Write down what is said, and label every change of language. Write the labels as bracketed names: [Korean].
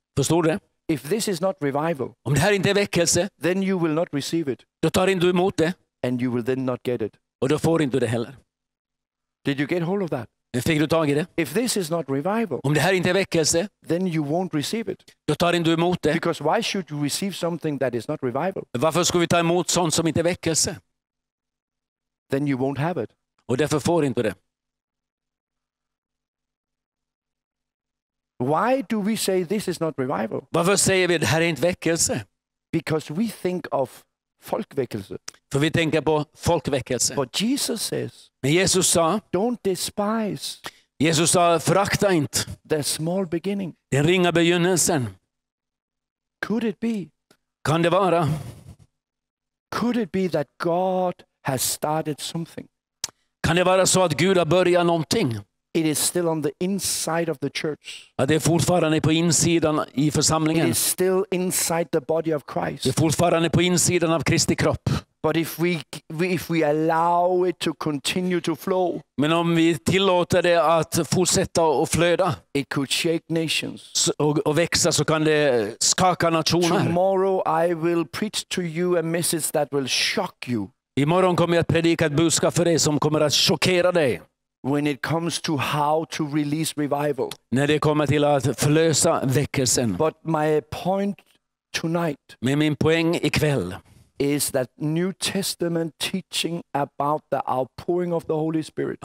[Swedish] Förstår du? [English] If this is not revival, [Swedish] om det här inte är väckelse, [English] then you will not receive it. [Swedish] Då tar inte du emot det. [English] And you will then not get it. [Swedish] Och då får inte du det heller. [English] Did you get hold of that? [Swedish] Fick du tag i det? [English] If this is not revival, [Swedish] om det här inte är väckelse, [English] then you won't receive it. [Swedish] Då tar inte du emot det. [English] Because why should you receive something that is not revival? [Swedish] Varför ska vi ta emot sånt som inte är väckelse? [English] Then you won't have it. [Swedish] Och därför får inte du det. [English] Why do we say this is not revival? [Swedish] Varför säger vi det här är inte väckelse? [English] Because we think of folkväckelse. [Swedish] För vi tänker på folkväckelse. [English] But Jesus says. [Swedish] Men Jesus sa. [English] Don't despise. [Swedish] Jesus sa, förakta inte. [English] The small beginning. [Swedish] Den ringa begynnelsen. [English] Could it be? [Swedish] Kan det vara? [English] Could it be that God has started something? [Swedish] Kan det vara så att Gud har börjat någonting? [English] It is still on the inside of the church. [Swedish] Att det är fortfarande på insidan i församlingen. [English] It is still inside the body of Christ. [Swedish] Det är fortfarande på insidan av Kristi kropp. [English] But if we allow it to continue to flow. [Swedish] Men om vi tillåter det att fortsätta och flöda. [English] It could shake nations. [Swedish] Och växa så kan det skaka nationer. [English] Tomorrow I will preach to you a message that will shock you. [Swedish] Imorgon kommer jag att predika ett budskap för dig som kommer att chockera dig. [English] When it comes to how to release revival. [Swedish] När det kommer till att förlösa väckelsen. [English] But my point tonight. [Swedish] Men min poäng ikväll. [English] Is that New Testament teaching about the outpouring of the Holy Spirit.